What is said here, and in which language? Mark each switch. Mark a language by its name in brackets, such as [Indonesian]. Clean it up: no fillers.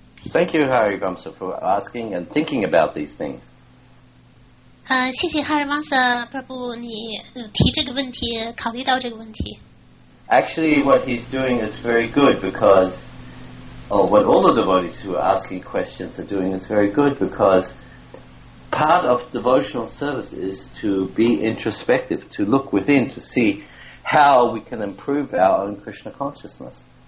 [English] Thank you, Hari Vamsa, for asking and thinking about these things. [Chinese] 谢谢哈尔曼萨巴布，你提这个问题，考虑到这个问题。 [English] Actually, what he's doing is very good because, or what all the devotees who are asking questions are doing is very good because part of devotional service is to be introspective, to look within, to see how we can improve our own Krishna consciousness.